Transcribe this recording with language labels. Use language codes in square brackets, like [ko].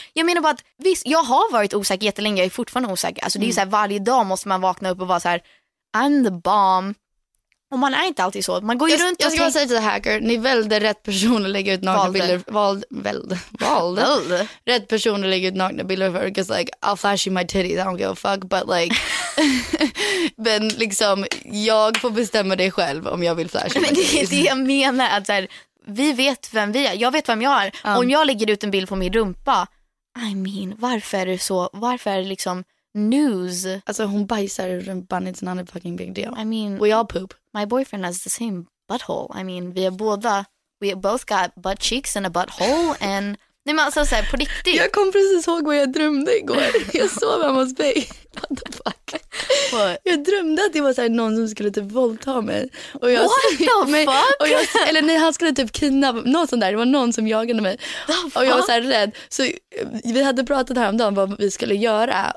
[sv] Jag menar bara att visst, jag har varit osäker jättelänge. Jag är fortfarande osäker. Alltså, det är så här, varje dag måste man vakna upp och vara så här, [en] I'm the bomb. [sv] Och man är inte alltid så. Man går ju runt och jag ska bara säga till Hacker, ni välde rätt person att lägga ut nakna bilder. Rätt person att lägga ut nakna bilder för. [en] Because like, I'll flash you my titties, I don't give a fuck. But like, [sv] men liksom, jag får bestämma dig själv om jag vill flasha men det är det jag menar. Att så här, vi vet vem vi är. Jag vet vem jag är. Om jag lägger ut en bild på min rumpa, [en] I mean, [sv] varför är det så? Varför är det liksom news? Alltså hon bajsar ur rumpan, [en] it's not a fucking big deal. I mean, we all poop. My boyfriend has the same butthole. I mean, we both got butt cheeks and a butthole. And [sv] nej, men alltså, så här, på riktigt. Jag kom precis ihåg vad jag drömde igår. Jag sov hemma hos mig. [en] What the fuck? What? [sv] Jag drömde att det var så här, någon som skulle typ våldta mig. Och jag, [en] what the fuck? [sv] Och jag, eller nej, han skulle typ kidnappa mig. Något sånt där. Det var någon som jagade mig. Och jag var så här rädd. Så vi hade pratat häromdagen om vad vi skulle göra.